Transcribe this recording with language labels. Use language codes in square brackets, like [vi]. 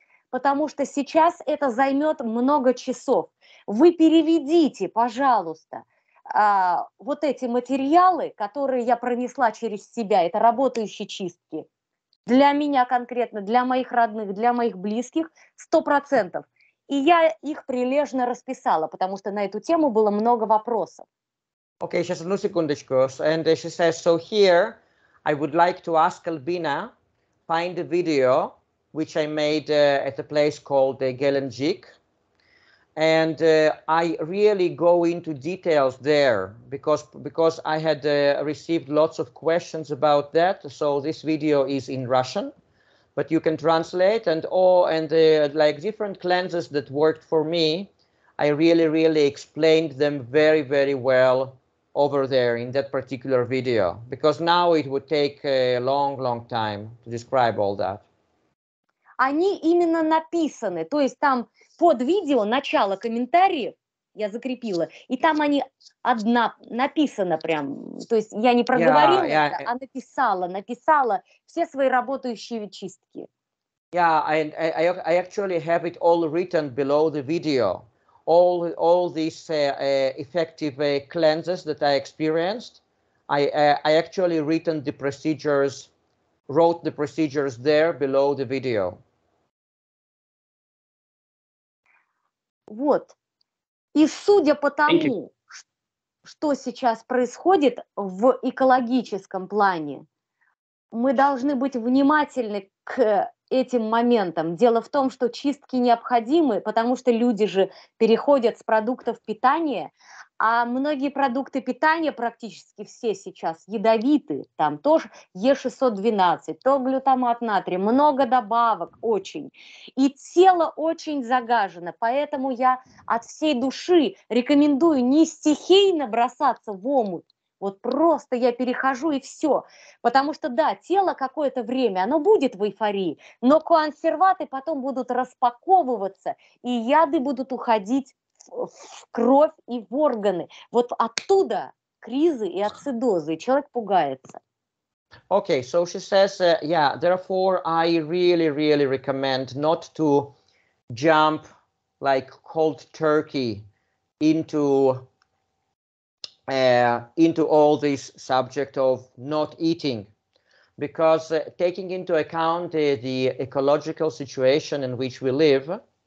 [ru] Потому что сейчас это займет много часов. Вы переведите, пожалуйста, вот эти материалы, которые я пронесла через себя, это работающие чистки, для меня конкретно, для моих родных, для моих близких, 100%. И я их прилежно расписала, потому что на эту тему было много вопросов. Okay, сейчас одну секундочку. [en] And she says, so here I would like to ask Albina find a video which I made at a place called Геленджик. And I really go into details there because I had received lots of questions about that. So this video is in Russian, but you can translate and different cleanses that worked for me. I really, really explained them very, very well over there in that particular video, because now it would take a long, long time to describe all that. [ru] Они именно написаны, то есть там под видео начало комментариев я закрепила, и там они одна написано прям, то есть я не проговорила, а написала все свои работающие чистки. [en] Yeah, I actually have it all written below the video, all these effective cleanses that I experienced. I actually written the procedures, wrote the procedures there below the video. [ru] Вот. И судя по тому, что сейчас происходит в экологическом плане, мы должны быть внимательны к этим моментам. Дело в том, что чистки необходимы, потому что люди же переходят с продуктов питания, а многие продукты питания, практически все сейчас, ядовиты. Там тоже Е612, то глютамат натрия, много добавок очень. И тело очень загажено, поэтому я от всей души рекомендую не стихийно бросаться в омут. Вот просто я перехожу и все. Потому что, да, тело какое-то время, оно будет в эйфории, но консерваты потом будут распаковываться, и яды будут уходить в кровь и в органы. Вот оттуда кризы и ацидозы. Человек пугается. [en] Okay, so she says, therefore I really, really recommend not to jump like cold turkey into all this subject of not eating, because taking into account the ecological situation in which we live,